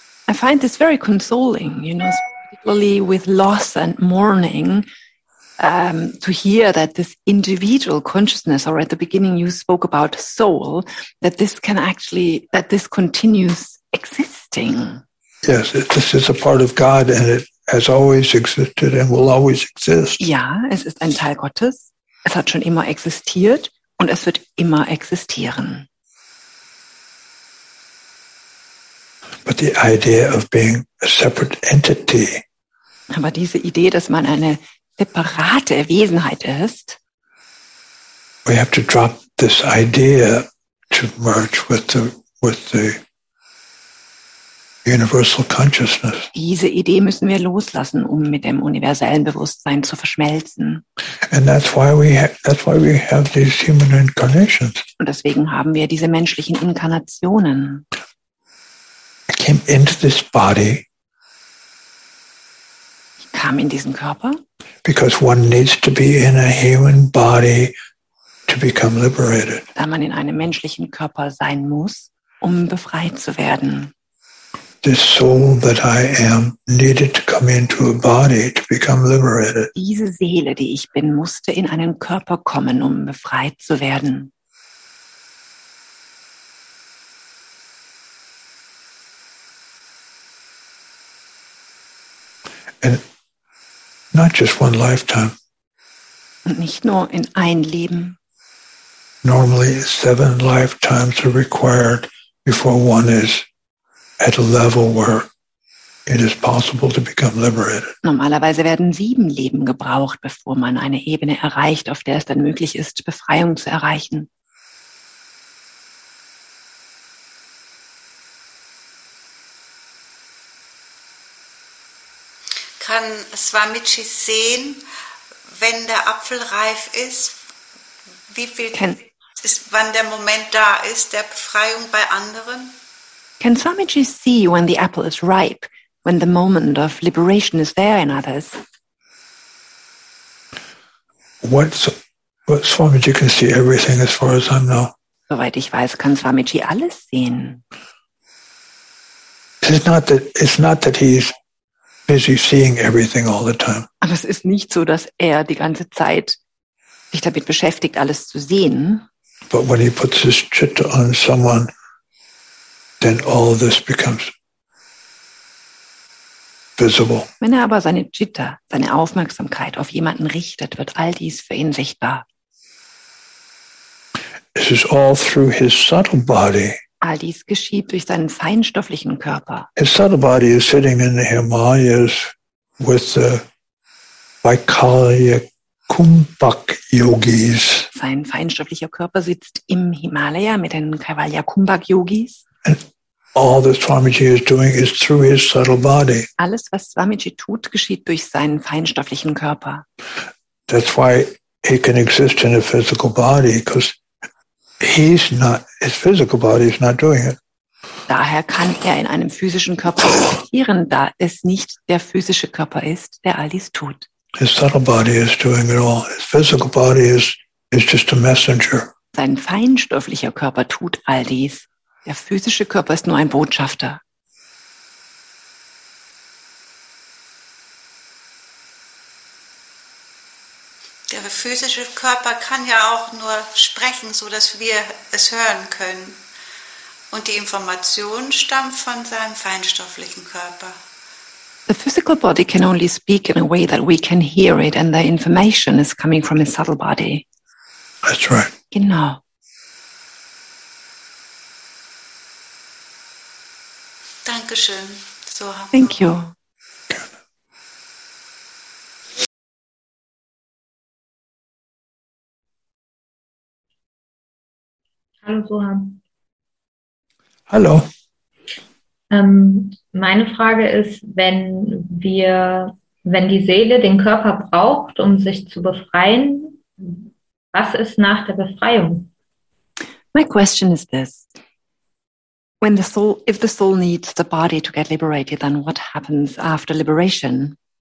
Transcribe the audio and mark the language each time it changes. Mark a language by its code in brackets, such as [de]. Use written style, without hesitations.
[en] I find this very consoling, you know, particularly with loss and mourning, to hear that this individual consciousness, or at the beginning you spoke about soul, that this can actually, that this continues existing. Yes, this is a part of God, and it has always existed and will always exist. [de] Ja, es ist ein Teil Gottes. Es hat schon immer existiert und es wird immer existieren. [en] But the idea of being a separate entity. [de] Aber diese Idee, dass man eine separate Wesenheit ist. [en] We have to drop this idea to merge with the universal consciousness. [de] Diese Idee müssen wir loslassen, um mit dem universellen Bewusstsein zu verschmelzen. [en] And that's why we have these human incarnations. [de] Und deswegen haben wir diese menschlichen Inkarnationen. [en] I came into this body. [de] Ich kam in diesen Körper. [en] Because one needs to be in a human body to become liberated. [de] Da man in einem menschlichen Körper sein muss, um befreit zu werden. [en] This soul that I am needed to come into a body to become liberated. [de] Diese Seele, die ich bin, musste in einen Körper kommen, um befreit zu werden. [en] And not just one lifetime. [de] Und nicht nur in ein Leben. [en] Normally 7 lifetimes are required before one is at a level where it is possible to become liberated. [de] Normalerweise werden 7 Leben gebraucht, bevor man eine Ebene erreicht, auf der es dann möglich ist, Befreiung zu erreichen. Kann Swamiji sehen, wenn der Apfel reif ist, wie viel ist, wann der Moment da ist, der Befreiung bei anderen? [en] Can Swamiji see when the apple is ripe, when the moment of liberation is there in others? What Swamiji can see everything as far as I know. [de] Soweit ich weiß, kann Swamiji alles sehen. [en] It's not that he's busy seeing everything all the time. [de] Aber es ist nicht so, dass er die ganze Zeit sich damit beschäftigt, alles zu sehen. [en] But when he puts his chitta on someone, then all this becomes visible. [de] Wenn er aber seine Chitta, seine Aufmerksamkeit auf jemanden richtet, wird all dies für ihn sichtbar. [en] This is all through his subtle body. [de] All dies geschieht durch seinen feinstofflichen Körper. [en] His subtle body is sitting in the Himalayas with the Vaikalya Kumbhak Yogis. [de] Sein feinstofflicher Körper sitzt im Himalaya mit den Kaivalya Kumbhak Yogis. [en] And all that Swamiji is doing is through his subtle body. [de] Alles, was Swamiji tut, geschieht durch seinen feinstofflichen Körper. [en] That's why he can exist in a physical body, because he's not, his physical body is not doing it. [de] Daher kann er in einem physischen Körper existieren, da es nicht der physische Körper ist, der all dies tut. [en] His subtle body is doing it all. His physical body is just a messenger. [de] Sein feinstofflicher Körper tut all dies. Der physische Körper ist nur ein Botschafter. Der physische Körper kann ja auch nur sprechen, so dass wir es hören können. Und die Information stammt von seinem feinstofflichen Körper. [en] The physical body can only speak in a way that we can hear it, and the information is coming from his subtle body. That's right. [de] Genau. Dankeschön. So. [en] Thank you. [de] Hallo Soham. Hallo. Meine Frage ist, wenn die Seele den Körper braucht, um sich zu befreien, was ist nach der Befreiung? [en] My question is this. If the soul needs the body to get liberated, then what happens after liberation?